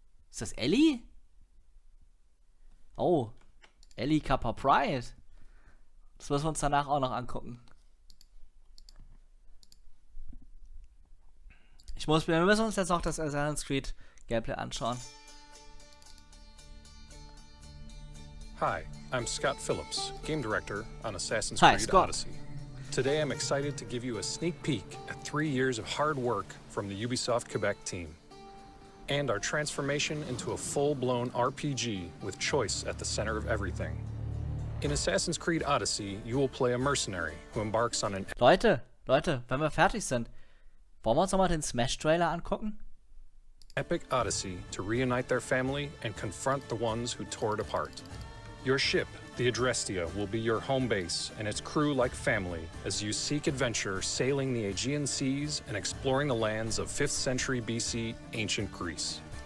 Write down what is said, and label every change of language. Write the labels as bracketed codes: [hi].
[de] Ist das Ellie? Oh, Ellie Kappa Pride. Das müssen wir uns danach auch noch angucken. Wir müssen uns jetzt noch das Assassin's Creed Gameplay anschauen. [en] Hi, I'm Scott Phillips, Game Director on Assassin's Creed Odyssey. Today I'm excited to give you a sneak peek at 3 years of hard work from the Ubisoft Quebec team. And our transformation into a full-blown RPG with choice at the center of everything. In Assassin's Creed Odyssey, you will play a mercenary who embarks on an... [de] Leute, wenn wir fertig sind, wollen wir uns nochmal den Smash-Trailer angucken? [en] Epic Odyssey to reunite their family and confront the ones who tore it apart. Your ship, the Adrestia, will be your home base and its crew like family as you seek adventure sailing the Aegean seas and exploring the lands of 5th century BC ancient Greece.